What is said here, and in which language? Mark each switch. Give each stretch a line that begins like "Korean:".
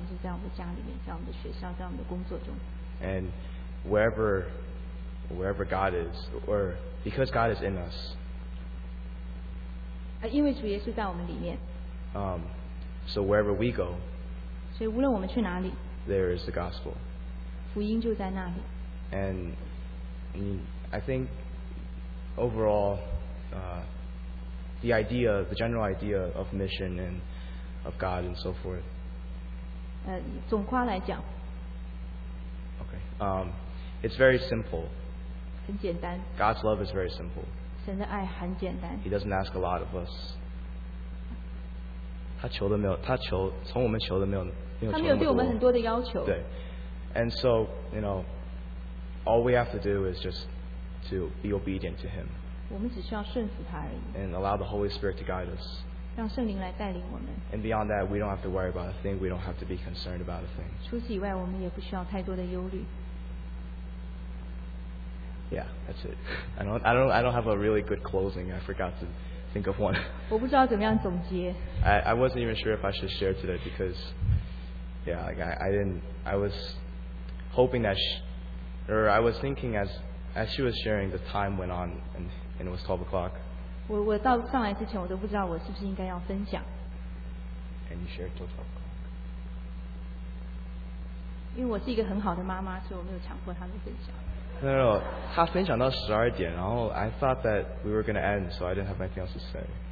Chinese: 其实宣教就是在我们的周围环境，在我们家里面，在我们的学校，在我们的工作中。
English: And wherever God is, or because God is in us.
Chinese: 因为主耶稣在我们里面。
English: So wherever we go.
Chinese: 所以无论我们去哪里。
English: There is the gospel.
Chinese: 福音就在那里。
English: And I think overall, the general idea of mission and of God and so forth.
Chinese: 总括来讲。
English: Okay. It's very simple.
Chinese: 很简单。
English: God's love is very simple.
Chinese: 神的爱很简单。
English: He doesn't ask a lot of us.
Chinese: 他求的没有，他求从我们求的没有。他没有对我们很多的要求。对，
English: and so you know, all we have to do is just to be obedient to Him.
Chinese: 我们只需要顺服他而已。
English: And allow the Holy Spirit to guide us.
Chinese: 让圣灵来带领我们。
English: And beyond that, we don't have to worry about a thing. We don't have to be concerned about a thing.
Chinese: 除此以外，我们也不需要太多的忧虑。
English: Yeah, that's it. I don't have a really good closing. I forgot to think of one.
Chinese: 我不知道怎么样总结。
English: I wasn't even sure if I should share today because. Yeah, like I was thinking as she was sharing, the time went on and it was 12 o'clock.
Chinese: 我到上来之前，我都不知道我是不是应该要分享。
English: And you shared till 12 o'clock.
Chinese: 因为我是一个很好的妈妈，所以我没有强迫他们分享。
English: No,
Chinese: 她分享到12点，然后
English: I thought that we were going to end, so I didn't have anything else to say.